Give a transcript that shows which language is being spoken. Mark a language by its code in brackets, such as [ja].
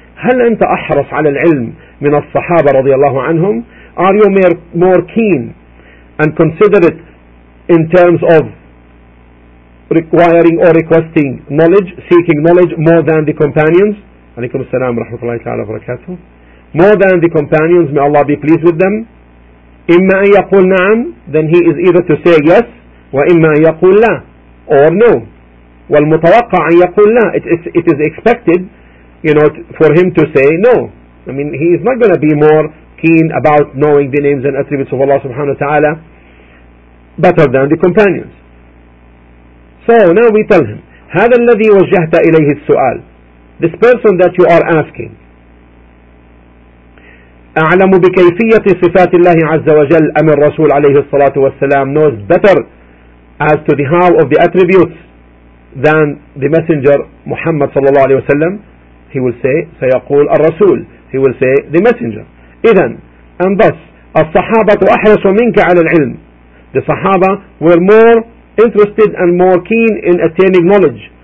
[ar] هل أنت أحرص على العلم من الصحابة رضي الله عنهم? [en] Are you more keen and considerate in terms of requiring or requesting knowledge, seeking knowledge more than the companions? [ar] عليكم السلام ورحمة الله تعالى وبركاته. [en] More than the companions, may Allah be pleased with them. [ar] إما أن يقول نعم, [en] then he is either to say yes, [ar] وإما أن يقول لا, [en] or no. [ar] والمتوقع أن يقول لا, [en] it is expected, you know, for him to say no. I mean, he is not going to be more keen about knowing the names and attributes of Allah subhanahu wa ta'ala better than the companions. So now we tell him, [ar] هذا الذي وجهت إليه السؤال, [en] this person that you are asking, [ar] أعلم بكيفية صفات الله عز وجل أم الرسول عليه الصلاة والسلام [en] knows better as to the how of the attributes than the messenger Muhammad [ar] صلى الله عليه وسلم. [en] He will say, [ar] سيقول الرسول. [en] He will say, the messenger. [ar] إذن, [en] and thus, [ar] الصحابة أحرص منك على العلم. [en] The Sahaba were more interested and more keen in attaining knowledge.